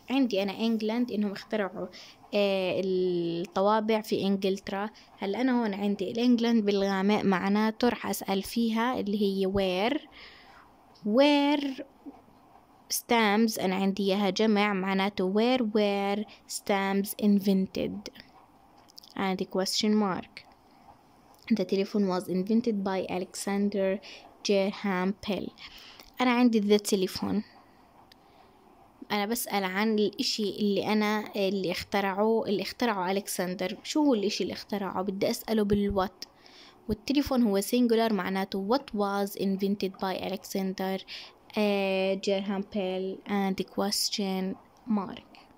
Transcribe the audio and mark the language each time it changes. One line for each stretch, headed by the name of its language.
Arabic: عندي أنا England إنهم اخترعوا الطوابع في إنجلترا. هل أنا هون عندي الإنجلند بالغامق، معناته رح أسأل فيها اللي هي
English: where stamps.
Arabic: أنا عندي إياها جمع، معناته
English: where stamps invented.
Arabic: عندي question mark.
English: The telephone was invented by Alexander Graham Bell.
Arabic: أنا عندي the telephone، أنا بسأل عن الإشي اللي أنا اللي اخترعه ألكسندر. شو هو الإشي اللي اخترعه؟ بدي أسأله بالوات، والتليفون هو سينجولار، معناته
English: what was invented by Alexander Graham Bell and question mark.